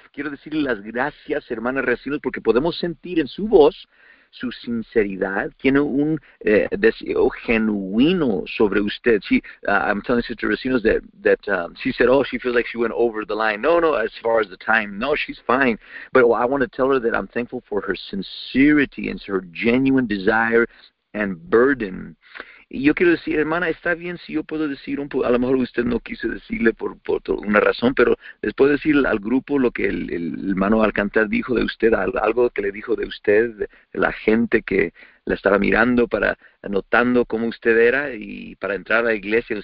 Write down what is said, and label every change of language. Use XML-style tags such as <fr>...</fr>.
<es>Quiero decirle las gracias, hermana Recinos, porque podemos sentir en su voz su sinceridad. Tiene un deseo genuino sobre usted.</es> <en>I'm telling Sister Recinos that she said, oh, she feels like she went over the line. No, as far as the time. No, she's fine. But I want to tell her that I'm thankful for her sincerity and her genuine desire and burden.</en> <es>Yo quiero decir, hermana, está bien si yo puedo decir un poco, a lo mejor usted no quiso decirle por una razón, pero les puedo decir al grupo lo que el hermano Alcántara dijo de usted, algo que le dijo de usted, de la gente que la estaba mirando para anotando cómo usted era y para entrar a la iglesia.</es>